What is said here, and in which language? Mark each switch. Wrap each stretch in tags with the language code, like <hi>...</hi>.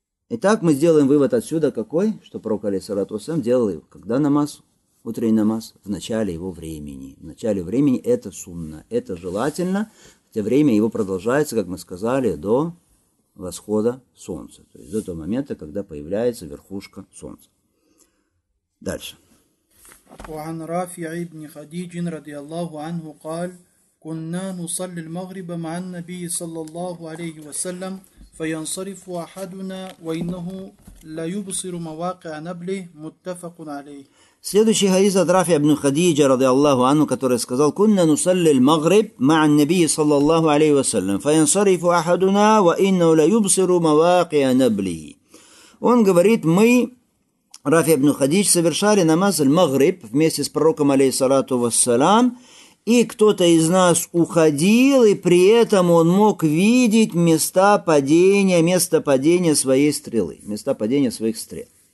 <ru>Итак, мы сделаем вывод отсюда какой? Что пророк, алейхиссалату вассалям, делал его, когда намаз, утренний намаз, в начале его времени. В начале времени это сунна, это желательно. В то время его продолжается, как мы сказали, до восхода солнца. То есть до того момента, когда появляется верхушка солнца. Дальше.</ru> <ar>وعن رافع بن خديج رضي الله عنه قال كنا نصلي المغرب مع النبي صلى الله عليه وسلم فينصرف أحدنا وإنه لا يبصر مواقع نبله متفق عليه.</ar> <ru>Следующий хадис от Рафи ибн Хадиджа رضي الله عنه, который сказал:</ru> <ar>كنا نصلي المغرب مع النبي صلى الله عليه وسلم فينصرف أحدنا وإنه لا يبصر مواقع نبله.</ar> <ru>Он говорит: мы, Рафи ибн Хадидж, совершали намаз аль-магриб вместе с пророком, алейхиссалату вассалям, и кто-то из нас уходил, и при этом он мог видеть место падения своей стрелы, место падения своих стрел.</ru>